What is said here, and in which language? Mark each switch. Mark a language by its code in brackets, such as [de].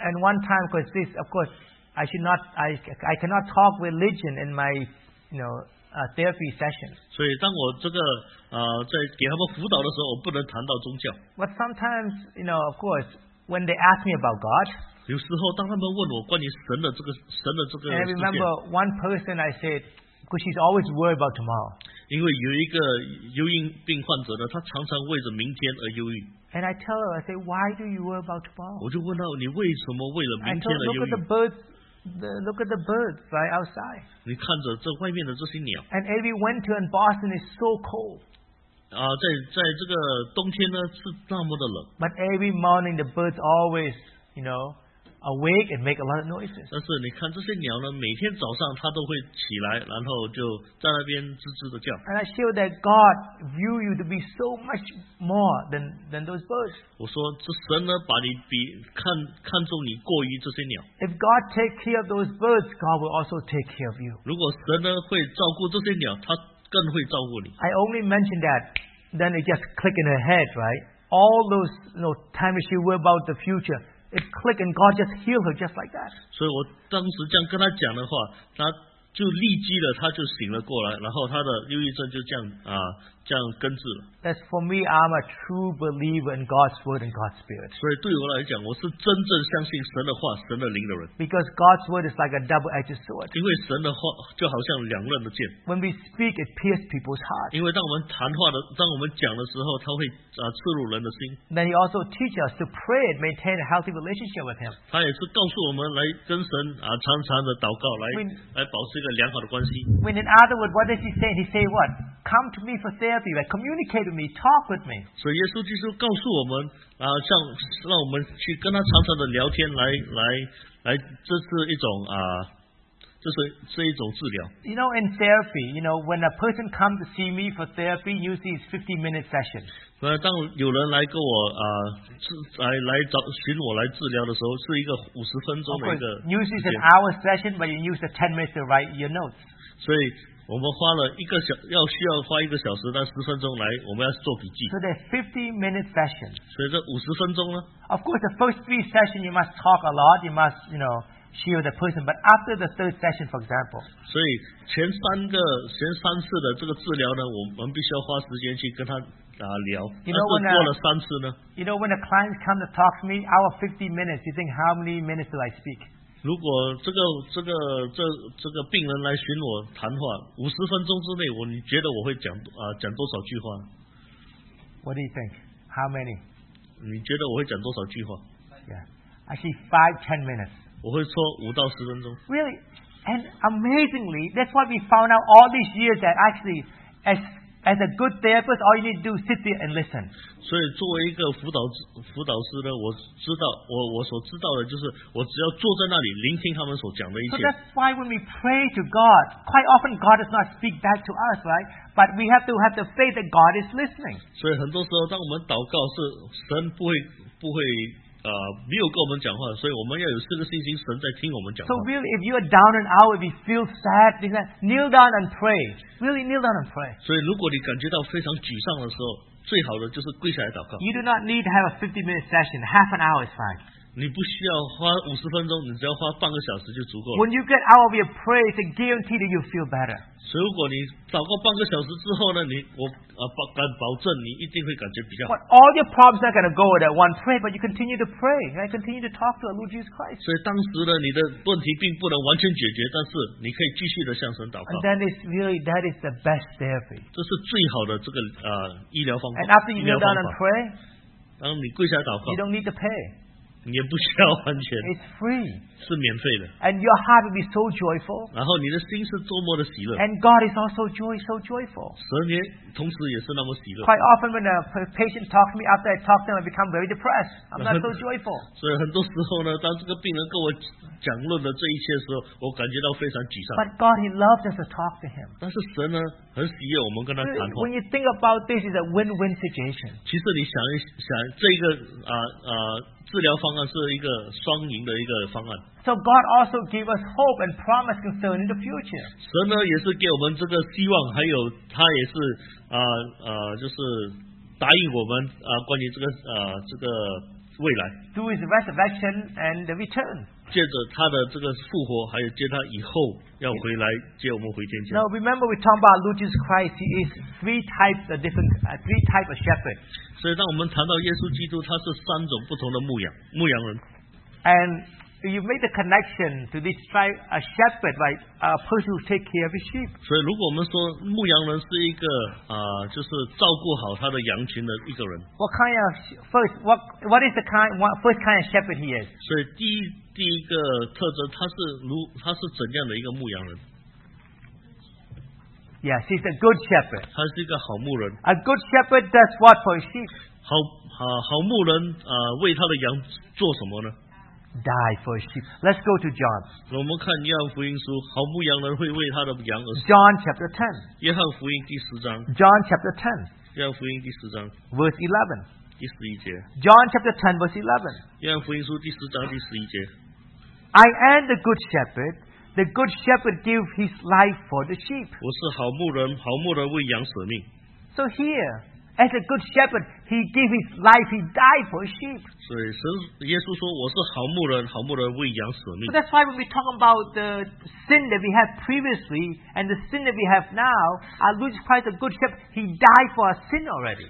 [en] And one time, because this, of course, I cannot talk religion in my, you know, therapy session. [zh] 所以当我给他们辅导的时候, [en] but sometimes, you know, of course, when they ask me about God, [zh] 有时候当他们问我关于神的这个, [en] and I remember one person I said, because she's always worried about tomorrow. [zh] 因为有一个忧郁病患者呢, 他常常为着明天而忧郁。 [en] And I tell her, I say, why do you worry about tomorrow? [zh] 我就问到你为什么为了明天而忧郁? [en] Look at the birds right outside. [zh] 你看着这外面的这些鸟, [en] and every winter in Boston is so cold. [zh] 在这个冬天呢,是那么的冷。 [en] But every morning the birds always, you know, awake and make a lot of noises. [zh] 但是你看这些鸟呢, 每天早上它都会起来, 然后就在那边吱吱地叫。 [en] And I feel that God view you to be so much more than those birds. [zh] 我说这神呢, 把你看重你过于这些鸟。 [en] If God take care of those birds, God will also take care of you. [zh] 如果神呢, 会照顾这些鸟, 祂更会照顾你。 [en] I only mention that, then it just click in her head, right? All those, you know, times she worry about the future, it clicked and God just healed her just like that. [zh] 所以我当时这样跟他讲的话, 他就立即了, 他就醒了过来, 然后他的忧郁症就这样, 这样根治了。 [en] That's for me, I'm a true believer in God's word and God's spirit. [zh] 所以对我来讲, 我是真正相信神的话, 神的灵的人。 [en] Because God's word is like a double-edged sword. [zh] 因为神的话, 就好像两刃的剑。 [en] When we speak, it pierces people's hearts. [zh] 因为当我们谈话的, 当我们讲的时候, 他会, 刺入人的心。 [en] Then he also teaches us to pray and maintain a healthy relationship with him. [zh] 他也是告诉我们来跟神, 常常的祷告, 来保持一个良好的关系。 [en] When in other words, what does he say? He say what? Come to me for therapy, right? Communicate with me, talk with me. [zh] 所以耶稣基督告诉我们, 让我们去跟他常常的聊天, 来这是一种, 这是一种治疗。 [en] You know, in therapy, you know, when a person comes to see me for therapy, usually it's 50-minute session. [zh] 当有人来跟我, 来找寻我来治疗的时候,是一个50分钟的一个时间。 [en] Of course, usually it's an hour session, but you use the 10 minutes to write your notes. [zh] 所以, 我们需要花一个小时到10分钟来, 我们要做笔记。 [en] So there's 50 minute sessions. [zh] 所以这50分钟呢? [en] Of course, the first 3 sessions you must talk a lot, you must, you know, share with the person. But after the 3rd session, for example, [zh] 所以前三次的这个治疗呢, 我们必须要花时间去跟他, 聊。那过了3次呢? [en] You know, when a client comes to talk to me, our 50 minutes, you think how many minutes do I speak? [zh] 如果这个病人来寻我谈话, 50分钟之内, 你觉得我会讲, 讲多少句话? [en] What do you think? How many? [zh] 你觉得我会讲多少句话? [en] Yeah. Actually, 5-10 minutes. [zh] 我会说5到10分钟. [en] Really? And amazingly, that's what we found out all these years, that actually, as As a good therapist, all you need to do is sit there and listen. [zh] 所以作为一个辅导师呢，我知道我所知道的就是，我只要坐在那里聆听他们所讲的一些。 [en] So that's why when we pray to God, quite often God does not speak back to us, right? But we have to have the faith that God is listening. [zh] 所以很多时候，当我们祷告是神不会。没有跟我们讲话，所以我们要有这个信心，神在听我们讲话。 [en] So really, if you are down and out, if you feel sad, then kneel down and pray. Really kneel down and pray. [zh] 所以如果你感觉到非常沮丧的时候，最好的就是跪下来祷告。 [en] You do not need to have a 50-minute session. Half an hour is fine. [zh] 你不需要花50分钟，你只要花半个小时就足够了。 [en] When you get out of your prayer, it's a guarantee that you feel better. [zh] 所以如果你祷告半个小时之后呢，敢保证你一定会感觉比较好。 [en] But all your problems are going to go at one prayer, but you continue to pray and continue to talk to the Lord Jesus Christ. [zh] 所以当时呢，你的问题并不能完全解决，但是你可以继续的向神祷告。 [en] And that is really that is the best therapy. [zh] 这是最好的这个医疗方法。 [en] And after you kneel down and pray, [zh] 当你跪下祷告 [en] ，you don't need to pay. [zh] 你也不需要还钱 [en] It's free. [zh] 是免费的 [en] And your heart will be so joyful. [zh] 然后你的心是多么的喜乐 [en] And God is also joy, so joyful. [zh] 神也同时也是那么喜乐 [en] Quite often when a patient talks to me after I talk to them, I become very depressed. I'm not so joyful. [zh] 所以很多时候呢，当这个病人跟我讲论了这一切的时候，我感觉到非常沮丧 [en] But God, he loves us to talk to him. [zh] 但是神呢，很喜悦我们跟他谈话 [en] When you think about this, it's a win-win situation. [zh] 其实你想一想这个治疗方案是一个双赢的一个方案。 [en] So God also gave us hope and promise concerning the future. [zh] 神呢也是给我们这个希望，还有他也是就是答应我们关于这个未来。 [en] Through His resurrection and the return. [zh] 借着他的这个复活，还有借他以后要回来接我们回天家。 [en] Now remember, we talk about Lord Jesus Christ. He is three types of shepherd. [zh] 所以当我们谈到耶稣基督，他是三种不同的牧羊人。 [en] And you made the connection to this type a shepherd, right? A person who take care of his sheep. [zh] 所以如果我们说牧羊人是一个就是照顾好他的羊群的一个人。 [en] What kind of first kind of shepherd he is? [zh] 所以第一个特征，他是怎样的一个牧羊人？ [en] Yes, he's a good shepherd. [zh] 他是一个好牧人。 [en] A good shepherd does what for his sheep? [zh] 好牧人为他的羊做什么呢？ [en] Die for his sheep. Let's go to John. [zh] 我们看约翰福音书，好牧羊人会为他的羊而死。 [en] John chapter 10. [zh] 约翰福音第十章。 [en] John chapter 10. [zh] 约翰福音第十章。 [en] Verse 11. [zh] 第十一节 [en] John chapter 10 verse 11 [zh] 约翰福音书第十章第十一节 [en] I am the good shepherd The good shepherd gave his life for the sheep [zh] 我是好牧人好牧人为羊舍命 [en] So here As a good shepherd He gave his life He died for his sheep [zh] 所以耶稣说我是好牧人好牧人为羊舍命 [en] But that's why when we talk about The sin that we have previously And the sin that we have now Our Lord Jesus Christ a good shepherd He died for our sin already